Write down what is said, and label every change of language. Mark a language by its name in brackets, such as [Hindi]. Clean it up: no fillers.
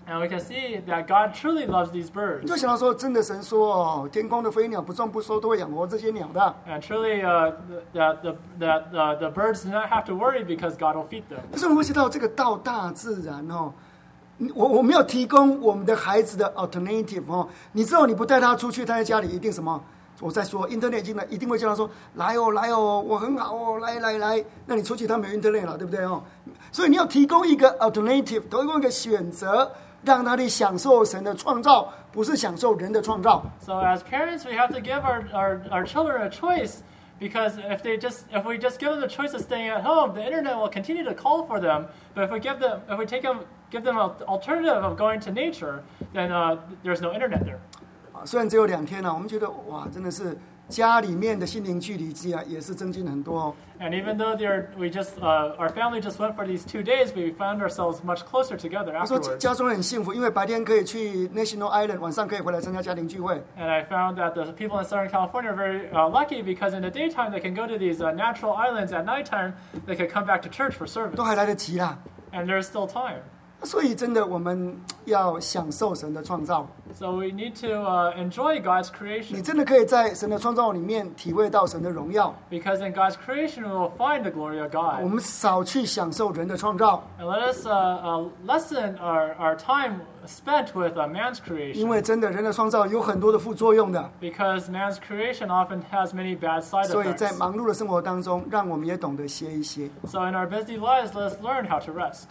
[English] And we can see that God truly loves these birds. [Chinese] 就想到说，真的神说，天空的飞鸟不种不收都会养活这些鸟的。 [English] And truly, the birds do not have to worry because God will feed them. [Chinese] 可是我想到这个到大自然哦，我没有提供我们的孩子的 alternative 哦，你知道你不带他出去，他在家里一定什么？我在说 ，Internet 进来一定会叫他说：“来哦，来哦，我很好哦，来来来。” 那你出去，他没有 Internet 了，对不对哦？所以你要提供一个 alternative， 提供一个选择，让他去享受神的创造，不是享受人的创造。 [English] So as parents, we have to give our children a choice, because if we just give them the choice of staying at home, the Internet will continue to call for them. But if we give them an alternative of going to nature, then there's no Internet there. [Chinese] 虽然只有两天、啊、我们觉得哇，真的是家里面的心灵距离机啊，也是增进很多、哦。 [English] And even though our family just went for these 2 days, we found ourselves much closer together afterwards. [Chinese] 他说家中很幸福，因为白天可以去 National Island， 晚上可以回来参加家庭聚会。 [English] And I found that the people in Southern California are very lucky because in the daytime they can go to these natural islands. At nighttime, they can come back to church for service. [Chinese] 都还来得及啦。 [English] And there's still time. [Chinese] 所以真的我们要享受神的创造。 [English] So we need to enjoy God's creation. [Chinese] 你真的可以在神的创造里面体会到神的荣耀。 [English] Because in God's creation we will find the glory of God. [Chinese] 我们少去享受人的创造。 [English] And let us lessen our time spent with a man's creation. [Chinese] 因为真的人的创造有很多的副作用的。 [English] Because man's creation often has many bad side effects. [Chinese] 所以在忙碌的生活当中，让我们也懂得歇一歇。 [English] So in our busy lives, let's learn how to rest.